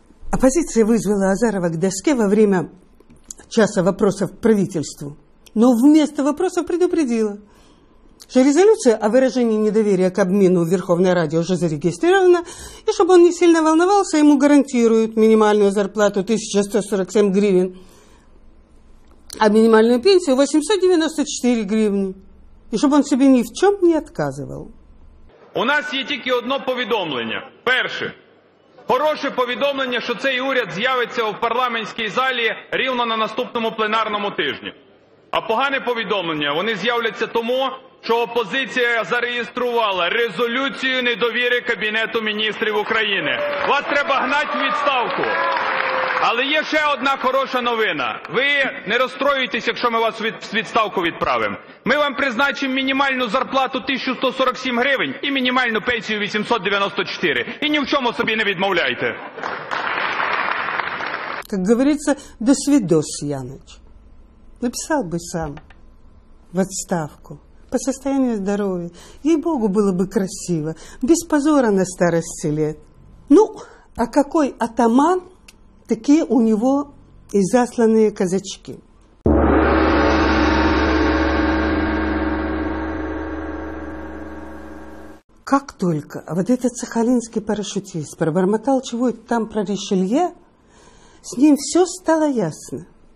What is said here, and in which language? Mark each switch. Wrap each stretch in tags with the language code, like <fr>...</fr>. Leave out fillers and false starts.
<ru>Оппозиция вызвала Азарова к доске во время часа вопросов правительству, но вместо вопросов предупредила, что резолюция о выражении недоверия к обмену в Верховной Раде уже зарегистрирована, и чтобы он не сильно волновался, ему гарантируют минимальную зарплату 1147 гривен, а минимальную пенсию 894 гривни, и чтобы он себе ни в чем не отказывал.</ru> <uk>У нас є тільки одне повідомлення. Перше. Хороше повідомлення, що цей уряд з'явиться в парламентській залі рівно на наступному пленарному тижні. А погане повідомлення, вони з'являться тому, що опозиція зареєструвала резолюцію недовіри Кабінету міністрів України. Вас треба гнати в відставку. Але є ще одна хороша новина. Ви не розстроюєтесь, якщо ми вас від відставку відправимо. Ми вам призначимо мінімальну зарплату 1147 гривень і мінімальну пенсію 894. І ні в чому собі не відмовляйте. Як говориться, до свідос, Яныч. Написав би сам в відставку.</uk> <ru>По состоянию</ru> <uk>здоров'я. Їй-богу, було б красиво.</uk> <ru>Без позора на старості лет. Ну, а какой атаман? Такие у него и засланные казачки. Как только вот этот сахалинский парашютист пробормотал чего-то там про Ришелье, с ним все стало ясно.</ru>